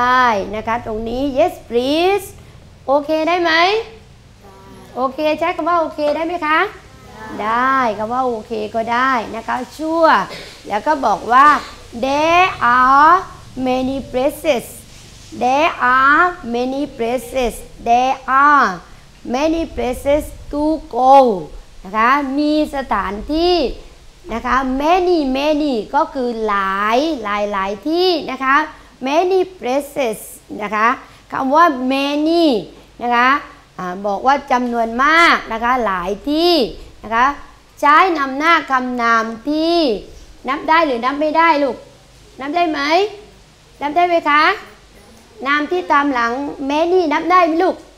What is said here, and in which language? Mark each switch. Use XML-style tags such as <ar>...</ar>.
<th>นะคะตรงนี้ yes please โอเคได้ไหมโอเคใช้คำว่าโอเคได้ไหมคะ ได้ คำว่าโอเคก็ได้นะคะชัวแล้วก็บอกว่า</th> <en>there are many placesThere are many places. There are many places to go.</en> <th>นะคะมีสถานที่นะคะ many ก็คือหลายที่นะคะ many places นะคะคำว่า many นะคะบอกว่าจำนวนมากนะคะหลายที่นะคะใช้นำหน้าคำนามที่นับได้หรือนับไม่ได้ลูกนับได้ไหมนับได้ไหมคะนามที่ตามหลัง many นับได้ไหมลูก</th>